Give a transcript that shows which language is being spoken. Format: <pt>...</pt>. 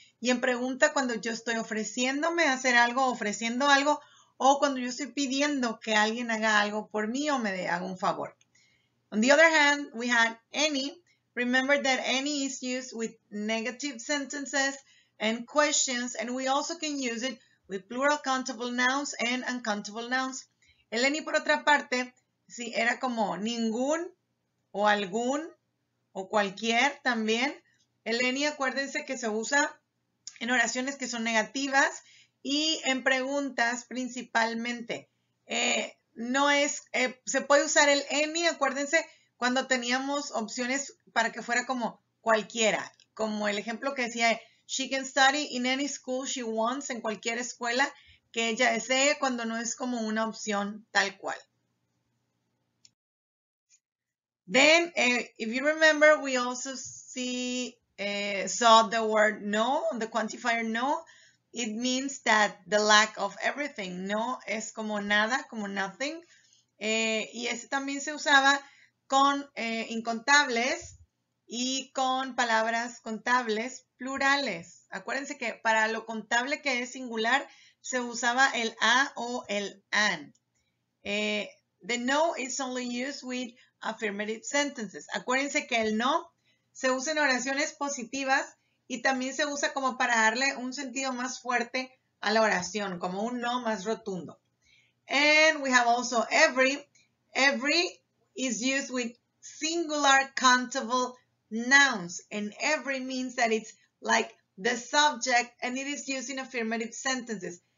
<es>Y en pregunta, cuando yo estoy ofreciéndome a hacer algo, ofreciendo algo, o cuando yo estoy pidiendo que alguien haga algo por mí o me dé algún favor.</es> <en>On the other hand, we had any. Remember that any is used with negative sentences and questions, and we also can use it with plural countable nouns and uncountable nouns.</en> <es>El any, por otra parte, sí, era como ningún o algún o cualquier también. El any, acuérdense que se usa en oraciones que son negativas y en preguntas principalmente. Se puede usar el any, acuérdense, cuando teníamos opciones para que fuera como cualquiera. Como el ejemplo que decía,</es> <en>she can study in any school she wants,</en> <es>en cualquier escuela que ella desee, cuando no es como una opción tal cual.</es> <en>Then, if you remember, we also see... saw the word no, the quantifier no, it means that the lack of everything.</en> <es>No es como nada, como nothing. Y ese también se usaba con incontables y con palabras contables plurales. Acuérdense que para lo contable que es singular, se usaba el a o el an.</es> <en>The no is only used with affirmative sentences.</en> <es>Acuérdense que el no se usa en oraciones positivas y también se usa como para darle un sentido más fuerte a la oración, como un no más rotundo.</es> <en>And we have also every. Every is used with singular countable nouns. And every means that it's like the subject and it is used in affirmative sentences.</en>